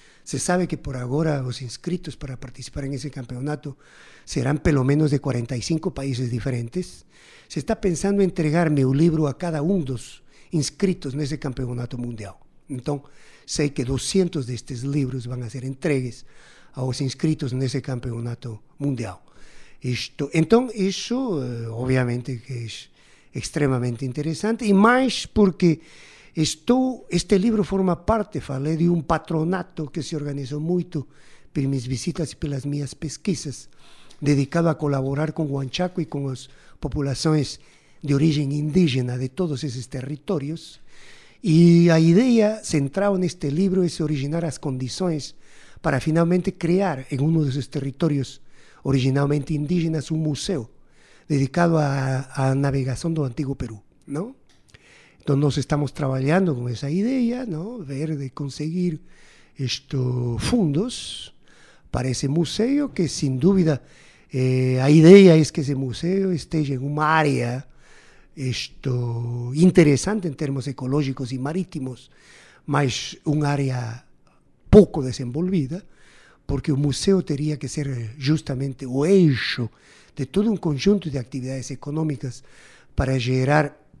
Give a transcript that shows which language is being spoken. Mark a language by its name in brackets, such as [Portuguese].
[Spanish] Se sabe que por ahora los inscritos para participar en ese campeonato serán [Portuguese] pelo menos [Spanish] de 45 países diferentes. Se está pensando entregar mi libro a cada uno de los inscritos en ese campeonato mundial. Entonces, sé que 200 de estos libros van a ser entregues a los inscritos en ese campeonato mundial. [Portuguese] Isto. Então, isso obviamente que é extremamente interessante, e mais porque este livro forma parte, falei, de um patronato que se organizou muito pelas minhas visitas e pelas minhas pesquisas, dedicado a colaborar com Huanchaco e com as populações de origem indígena de todos esses territórios. E a ideia central neste livro é originar as condições para finalmente criar em um desses territórios originalmente indígenas, [Spanish] un museo dedicado a navegación del antiguo Perú, [Portuguese] ¿no? [Spanish] Entonces nos estamos trabajando con esa idea, ¿no? Ver de conseguir estos fondos para ese museo, que sin duda la idea es que ese museo esté en un área esto, interesante en términos ecológicos y marítimos, mas un área poco desenvolvida, porque el museo tendría que ser justamente el eje de todo un conjunto de actividades económicas para generar